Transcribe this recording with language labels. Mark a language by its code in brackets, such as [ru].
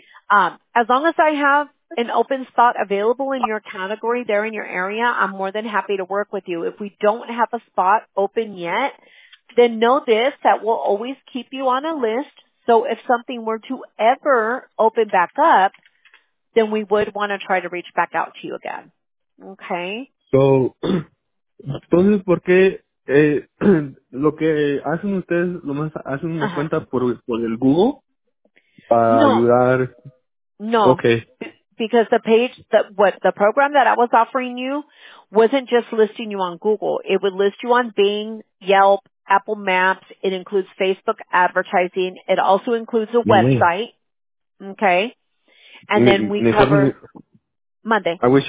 [en] As long as I have an open spot available in your category there in your area, I'm more than happy to work with you. If we don't have a spot open yet, then know this, that we'll always keep you on a list. So if something were to ever open back up, then we would want to try to reach back out to you again. Okay? [es] So, entonces, ¿por qué lo que hacen ustedes, lo más hacen una cuenta por el Google para ayudar? No. [en] Okay. Because the page, the program that I was offering you wasn't just listing you on Google. It would list you on Bing, Yelp, Apple Maps, it includes Facebook advertising, it also includes a website, okay? And then we cover Monday.